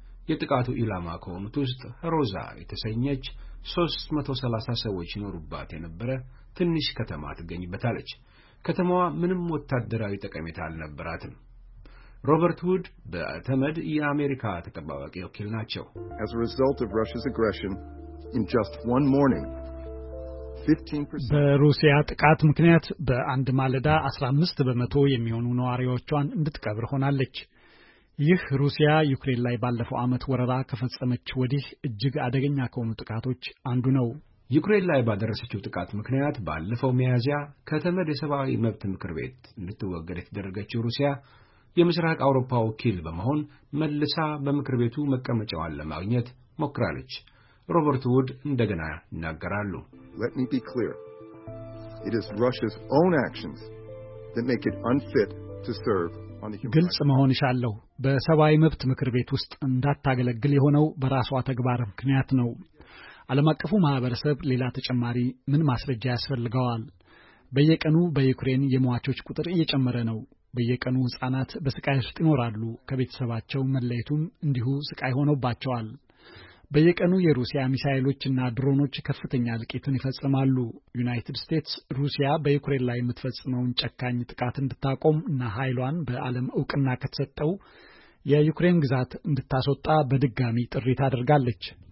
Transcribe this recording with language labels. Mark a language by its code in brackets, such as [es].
[am] የጥቃቱ ኢላማ ከሆኑት ውስጥ ሮዛ የተሰኘች 330 ሰዎች ኖሩባት የነበረ ትንሽ ከተማ ትገኝበታለች። ከተማዋ ምንም ወታደራዊ ጠቀሜታ አልነበራትም። ሮበርት ውድ በተመድ የአሜሪካ ተጠባባቂ ወኪል ናቸው። [en] As a result of Russia's aggression in just one morning [am] በሩሲያ ጥቃት ምክንያት በአንድ ማለዳ 15% የሚሆኑ ነዋሪዎቿን እንድትቀብር ሆናለች። ይህ ሩሲያ ዩክሬን ላይ ባለፈው ዓመት ወረራ ከፈጸመች ወዲህ እጅግ አደገኛ ከሆኑ ጥቃቶች አንዱ ነው። ዩክሬን ላይ ባደረሰችው ጥቃት ምክንያት ባለፈው ሚያዝያ ከተመድ የሰብአዊ መብት ምክር ቤት እንድትወገድ የተደረገችው ሩሲያ የምስራቅ አውሮፓ ወኪል በመሆን መልሳ በምክር ቤቱ መቀመጫዋን ለማግኘት ሞክራለች። ሮበርት ውድ እንደገና ይናገራሉ። [en] Let me be clear. It is Russia's own actions that make it unfit to serve on the human rights. [am] ግልጽ መሆን ይሻለው በሰብአዊ መብት ምክር ቤት ውስጥ እንዳታገለግል የሆነው በራሷ ተግባር ምክንያት ነው። ዓለም አቀፉ ማህበረሰብ ሌላ ተጨማሪ ምን ማስረጃ ያስፈልጋል? በየቀኑ በዩክሬን የሟቾች ቁጥር እየጨመረ ነው። በየቀኑ ህጻናት በስቃይ ውስጥ ይኖራሉ። ከቤተሰባቸው መለየቱም እንዲሁ ስቃይ ሆኖባቸዋል። በየቀኑ የሩሲያ ሚሳኤሎች እና ድሮኖች ከፍተኛ ልቀትን ይፈጽማሉ። ዩናይትድ ስቴትስ ሩሲያ በዩክሬን ላይ የምትፈጽመውን ጨካኝ ጥቃት እንድታቆም እና ኃይሏን በዓለም ዕውቅና ከተሰጠው የዩክሬን ግዛት እንድታስወጣ በድጋሚ ጥሪ ታደርጋለች።